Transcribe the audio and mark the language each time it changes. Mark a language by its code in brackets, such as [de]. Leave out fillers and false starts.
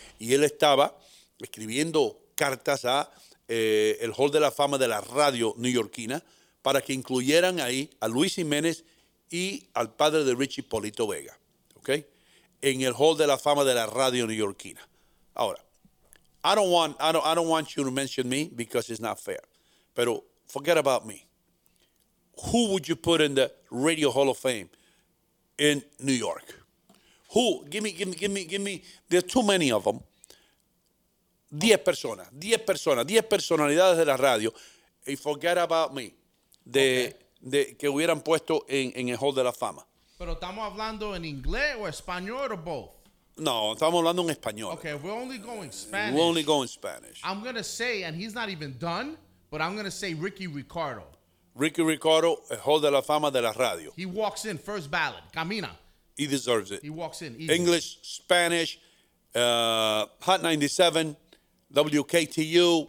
[es] Y él estaba escribiendo cartas a el Hall de la Fama de la radio neoyorquina para que incluyeran ahí a Luis Jiménez y al padre de Richie, Polito Vega. ¿Ok? En el Hall de la Fama de la radio neoyorquina. [en] Ahora, I don't want you to mention me because it's not fair. [es] Pero [en] forget about me. Who would you put in the Radio Hall of Fame in New York. Who? Give me. There's too many of them. [es] 10 personas, 10 personalidades de la radio. [en] And forget about me. De, okay. [es] De que hubieran puesto en el Hall de la Fama. Pero estamos hablando en inglés o español o both. No, estamos hablando en español. [en] Okay, we're only going Spanish. We're only going Spanish. I'm going to say, and he's not even done, but I'm going to say Ricky Ricardo. [es] Ricky Ricardo, el Hall de la Fama de la radio. [en] He walks in, first ballot, [es] camina. [en] He deserves it. He walks in. Easy. English, Spanish, Hot 97, WKTU.